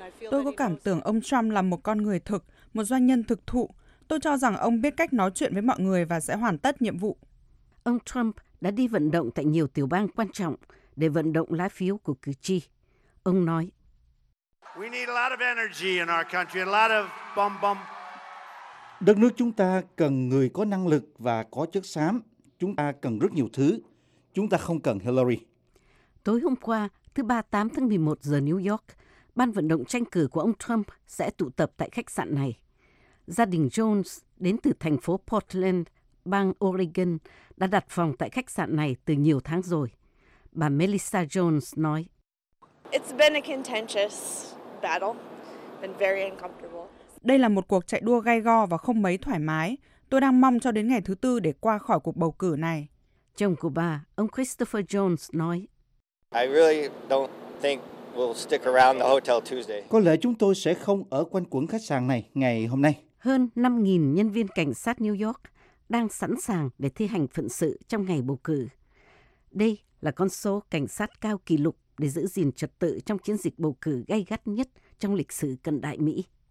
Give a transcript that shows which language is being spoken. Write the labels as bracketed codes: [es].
[vi] Tôi có cảm tưởng ông Trump là một con người thực, một doanh nhân thực thụ. Tôi cho rằng ông biết cách nói chuyện với mọi người và sẽ hoàn tất nhiệm vụ. Ông Trump đã đi vận động tại nhiều tiểu bang quan trọng để vận động lá phiếu của cử tri. Ông nói: [en] We need a lot of energy in our country, a lot of bum bum. [vi] Đất nước chúng ta cần người có năng lực và có chất xám. Chúng ta cần rất nhiều thứ. Chúng ta không cần Hillary. Tối hôm qua, thứ ba 8 tháng 11 giờ New York, ban vận động tranh cử của ông Trump sẽ tụ tập tại khách sạn này. Gia đình Jones đến từ thành phố Portland, bang Oregon, đã đặt phòng tại khách sạn này từ nhiều tháng rồi. Bà Melissa Jones nói: [en] It's been a contentious battle, been very uncomfortable. [vi] Đây là một cuộc chạy đua gay go và không mấy thoải mái. Tôi đang mong cho đến ngày thứ tư để qua khỏi cuộc bầu cử này. Chồng của bà, ông Christopher Jones, nói: [en] I really don't think we'll stick around the hotel Tuesday. [vi] Có lẽ chúng tôi sẽ không ở quanh quẩn khách sạn này ngày hôm nay. Hơn 5.000 nhân viên cảnh sát New York đang sẵn sàng để thi hành phận sự trong ngày bầu cử. Đây là con số cảnh sát cao kỷ lục để giữ gìn trật tự trong chiến dịch bầu cử gay gắt nhất trong lịch sử cận đại Mỹ.